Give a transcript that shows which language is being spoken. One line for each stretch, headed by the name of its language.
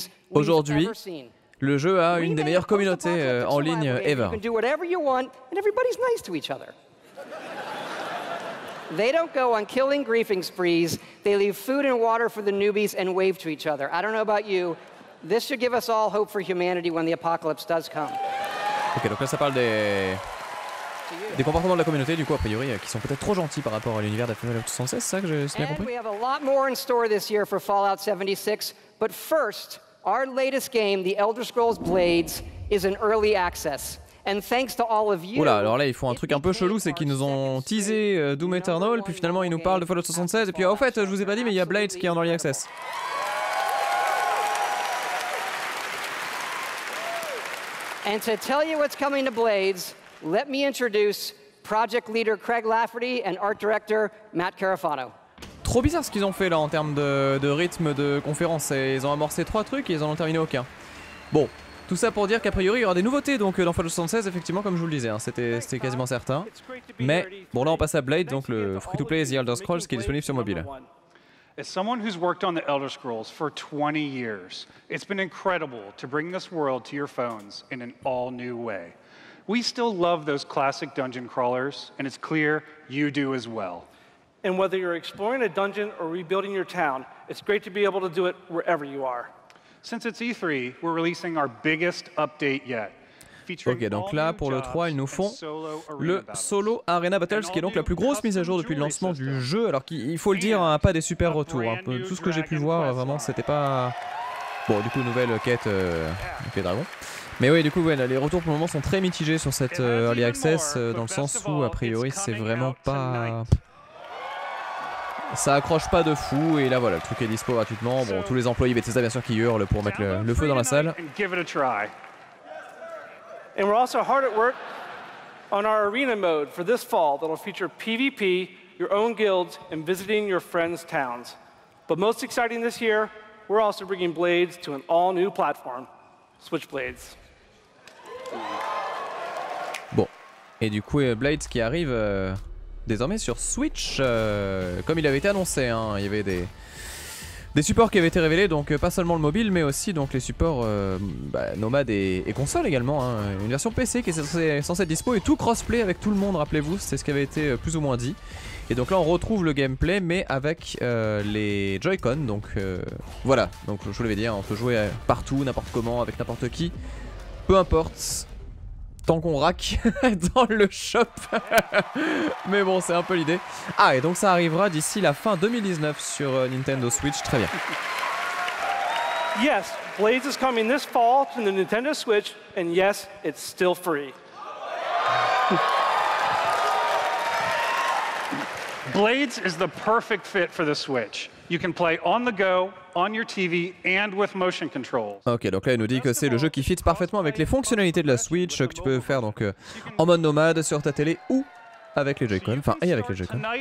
French: Aujourd'hui, le jeu a une des meilleures communautés en ligne
English: ever. You can do whatever you want, and everybody's nice to each other. They don't go on killing griefing sprees. They leave food and water for the newbies and wave to each other. I don't know about you. This should give us all hope for humanity when the apocalypse does come.
French: Ok, donc là ça parle des comportements de la communauté, du coup, a priori, qui sont peut-être trop gentils par rapport à l'univers de Fallout 76, c'est ça que j'ai bien compris?
English: And we have a lot more in store this year for Fallout 76. But first, our latest game, The Elder Scrolls Blades, is in early access. And thanks to all of you.
French: Oula, alors là, ils font un truc un peu chelou, c'est qu'ils nous ont teasé Doom Eternal, puis finalement ils nous parlent de Fallout 76, et puis au fait, je vous ai pas dit, mais il y a Blades qui est en early access.
English: And to tell you what's coming to Blades, let me introduce project leader Craig Lafferty and art director Matt Carafano.
French: Trop bizarre ce qu'ils ont fait là en termes de rythme de conférence. Ils ont amorcé trois trucs et ils en ont terminé aucun. Bon. Tout ça pour dire qu'a priori il y aura des nouveautés donc dans Fallout 76, effectivement, comme je vous le disais, hein, c'était quasiment certain. Mais bon, là on passe à Blade, donc le free to play The Elder Scrolls qui est disponible sur mobile.
English: As someone who's worked on The Elder Scrolls for 20 years, it's been incredible to bring this world to your phones in an all new way. We still love those classic dungeon crawlers, and it's clear you do as well. And whether you're exploring a dungeon or rebuilding your town, it's great to be able to do it wherever you are. Since it's E3, we're releasing our biggest update yet.
French: Ok, donc là, pour le 3, ils nous font le Solo Arena Battle, ce qui est donc la plus grosse mise à jour depuis le lancement du jeu. Alors qu'il faut le dire, hein, pas des super retours. Hein. Tout ce que j'ai pu voir, vraiment, c'était pas... Bon, du coup, nouvelle quête avec les dragons. Mais oui, du coup, ouais, les retours pour le moment sont très mitigés sur cette Early Access, dans le sens où, a priori, c'est vraiment pas... Ça accroche pas de fou, et là voilà, le truc est dispo gratuitement. Bon, tous les employés Bethesda, bien sûr, qui hurlent pour mettre le feu dans la salle. Et on est aussi
English: hard at work on our arena mode for this fall that'll feature PvP, your own guilds, and visiting your friends' towns. But most exciting this year, we're also bringing Blades to an all new platform, Switch Blades.
French: Bon, et du coup, Blades qui arrive. Désormais sur Switch, comme il avait été annoncé, hein, il y avait des supports qui avaient été révélés, donc pas seulement le mobile, mais aussi donc les supports nomades et consoles également. Hein, une version PC qui est censée être dispo et tout crossplay avec tout le monde, rappelez-vous, c'est ce qui avait été plus ou moins dit. Et donc là, on retrouve le gameplay, mais avec les Joy-Con, donc voilà. Donc je vous l'avais dit, on peut jouer partout, n'importe comment, avec n'importe qui, peu importe. Tant qu'on rack dans le shop. Mais bon, c'est un peu l'idée. Ah, et donc ça arrivera d'ici la fin 2019 sur Nintendo Switch. Très bien.
English: Yes, Blades is coming this fall to the Nintendo Switch, and yes, it's still free. Blades is the perfect fit for the Switch. You can play on the go, on your TV, and with motion controls.
French: Ok, donc là il nous dit que c'est le jeu qui fit parfaitement avec les fonctionnalités de la Switch, que tu peux faire donc en mode nomade sur ta télé ou avec les Joy-Con, enfin et avec les Joy-Con.